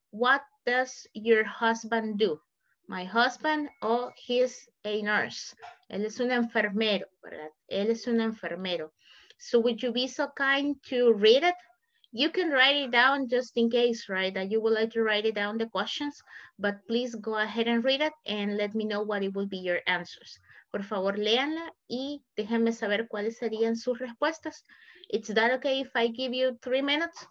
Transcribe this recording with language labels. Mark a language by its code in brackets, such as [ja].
[en] What does your husband do? My husband, oh, he's a nurse. [es] Él es un enfermero, ¿verdad? Él es un enfermero. [en] So would you be so kind to read it? You can write it down just in case, right? That you would like to write it down the questions, but please go ahead and read it and let me know what it will be your answers. [es] Por favor, léanla y déjenme saber cuáles serían sus respuestas. [en] Is that okay if I give you 3 minutes?